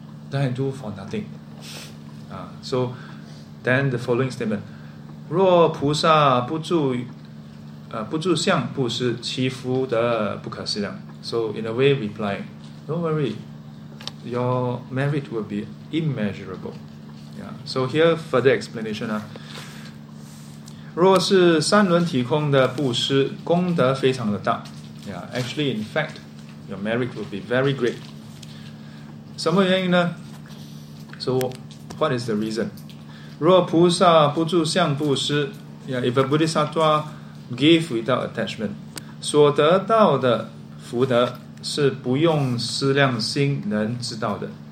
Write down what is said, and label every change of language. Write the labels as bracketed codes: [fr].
[en] Then I do for nothing. So then the following statement: [zh] 若菩萨不住相布施，其福德不可思量. [en] So in a way, replying, don't worry, your merit will be immeasurable. Yeah. So here further explanation. [zh] 若是三轮体空的布施，功德非常的大。 Yeah. [en] Actually, in fact, your merit will be very great. [zh] 什么原因呢？ [en] So what is the reason? [zh] 若菩萨不住相布施， yeah, [en] if a Bodhisattva give without attachment, [zh] 所得到的福德是不用思量心能知道的。